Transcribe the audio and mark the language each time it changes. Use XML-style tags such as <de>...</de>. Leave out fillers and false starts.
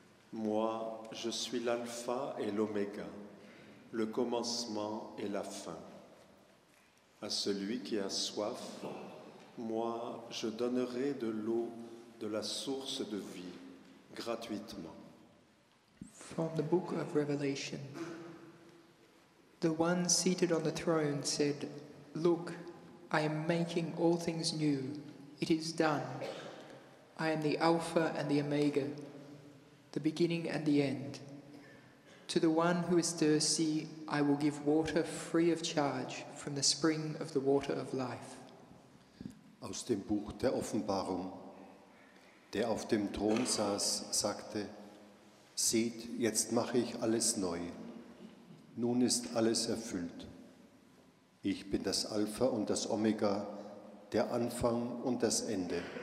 <fr>Moi, je suis l'alpha et l'oméga, le commencement et la fin. À celui qui a soif, moi, je donnerai de l'eau de la source de vie, gratuitement.</fr> <en>From the Book of Revelation. The one seated on the throne said, "Look, I am making all things new. It is done. I am the Alpha and the Omega, the beginning and the end. To the one who is thirsty, I will give water free of charge from the spring of the water of life."</en> <de>Aus dem Buch der Offenbarung. Der auf dem Thron saß, sagte, "Seht, jetzt mache ich alles neu. Nun ist alles erfüllt. Ich bin das Alpha und das Omega, der Anfang und das Ende.</de>